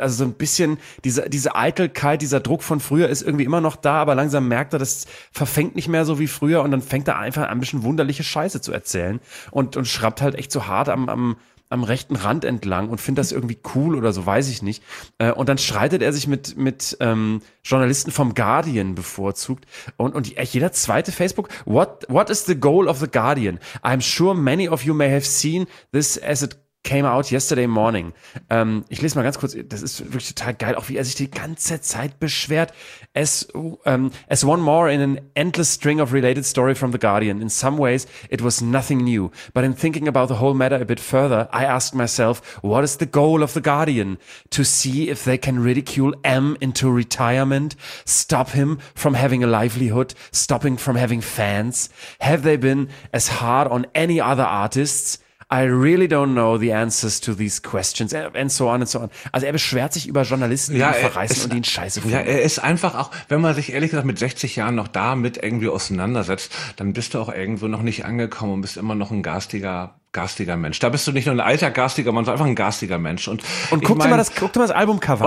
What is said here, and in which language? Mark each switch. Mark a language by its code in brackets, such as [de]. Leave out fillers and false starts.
[de] Also so ein bisschen diese Eitelkeit, dieser Druck von früher ist irgendwie immer noch da, aber langsam merkt er, das verfängt nicht mehr so wie früher und dann fängt er einfach an, ein bisschen wunderliche Scheiße zu erzählen und schrappt halt echt so hart am rechten Rand entlang und findet das irgendwie cool oder so, weiß ich nicht. Und dann streitet er sich mit Journalisten vom Guardian bevorzugt und jeder zweite Facebook, [en] what is the goal of the Guardian? I'm sure many of you may have seen this as it came out yesterday morning. [de] Ich lese mal ganz kurz, das ist wirklich total geil, auch wie er sich die ganze Zeit beschwert. [en] As one more in an endless string of related story from The Guardian. In some ways, it was nothing new. But in thinking about the whole matter a bit further, I asked myself, what is the goal of The Guardian? To see if they can ridicule M into retirement, stop him from having a livelihood, stopping from having fans. Have they been as hard on any other artists? I really don't know the answers to these questions and so on and so on. [de] Also er beschwert sich über Journalisten, die ihn verreißen und ihn scheiße finden. Ja, er ist einfach auch, wenn man sich ehrlich gesagt mit 60 Jahren noch damit irgendwie auseinandersetzt, dann bist du auch irgendwo noch nicht angekommen und bist immer noch ein garstiger Mensch. Da bist du nicht nur ein alter garstiger Mann, sondern einfach ein garstiger Mensch. Und guck dir mal das Albumcover